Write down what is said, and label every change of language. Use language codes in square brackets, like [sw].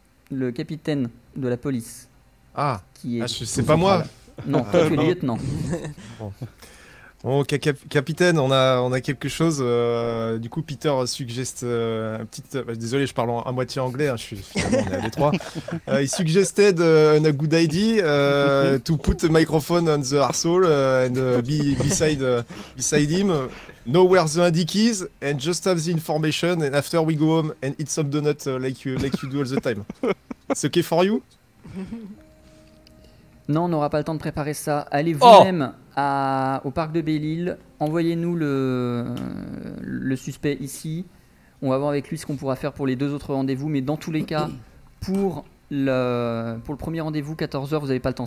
[fr] Le capitaine de la police. Ah, qui est ah c'est pas moi là. Non, toi tu es le lieutenant. Bon, bon capitaine, on a quelque chose. Du coup, Peter suggeste un petit... Désolé, je parle à moitié anglais, hein, finalement, on est à Détroit. [en] Il suggested a good idea to put a microphone on the arsehole and beside him. Know where the indic is and just have the information and after we go home and eat some donuts like you do all the time. It's okay for you? [fr] Non, on n'aura pas le temps de préparer ça. Allez vous-même au parc de Belle-Île, envoyez-nous le suspect ici. On va voir avec lui ce qu'on pourra faire pour les deux autres rendez-vous. Mais dans tous les cas, pour le premier rendez-vous, 14h, vous n'avez pas le temps.